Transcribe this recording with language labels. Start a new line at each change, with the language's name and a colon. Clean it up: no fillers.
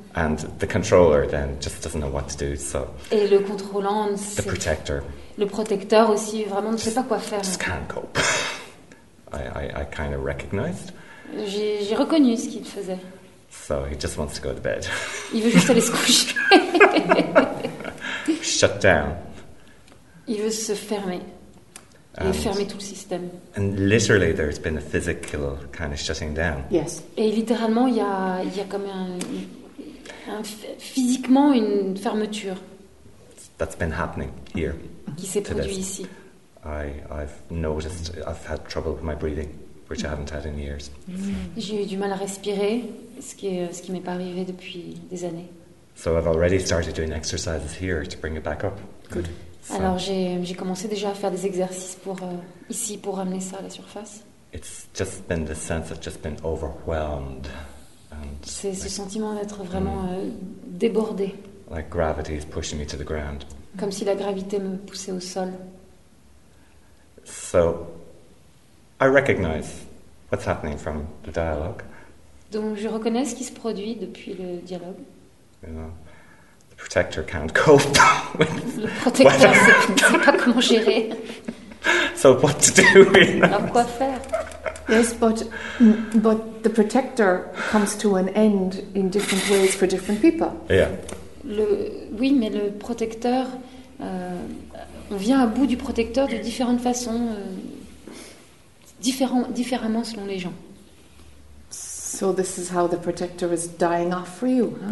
English: And the controller then just doesn't know what to do. So.
French: Et le contrôlant.
English: The protector.
French: Le protecteur aussi vraiment ne sait pas quoi faire.
English: Just can't cope. I kind of recognized.
French: J'ai reconnu ce qu'il faisait.
English: So he just wants to go to bed.
French: Il veut juste aller se coucher.
English: Shut down.
French: Il veut se fermer. Et fermer tout le système.
English: And literally there's been a physical kind of shutting down. Yes.
French: Et littéralement il y a comme un physiquement une fermeture.
English: That's been happening here.
French: Qui s'est produit ici.
English: I've noticed I've had trouble with my breathing. Which I haven't had in years.
French: J'ai eu du mal à respirer, ce qui m'est pas arrivé depuis des années.
English: So I've already started doing exercises here to bring it back up. Good.
French: Alors j'ai commencé déjà à faire des exercices pour ramener ça à la surface.
English: It's just been the sense of just been overwhelmed.
French: C'est ce sentiment d'être vraiment débordé.
English: Like gravity is pushing me to the ground.
French: Comme si la gravité me poussait au sol.
English: So. I recognize what's happening from the dialogue.
French: Donc je reconnais ce qui se produit depuis le dialogue.
English: You know, the protector can't cope with
French: le protecteur ne sait pas comment gérer.
English: So what to do? You know?
French: Alors quoi faire?
English: Yes, but the protector comes to an end in different ways for different people. Yeah.
French: Le protecteur, on vient à bout du protecteur de différentes façons. Différemment selon les gens.
English: So this is how the protector is dying off for you.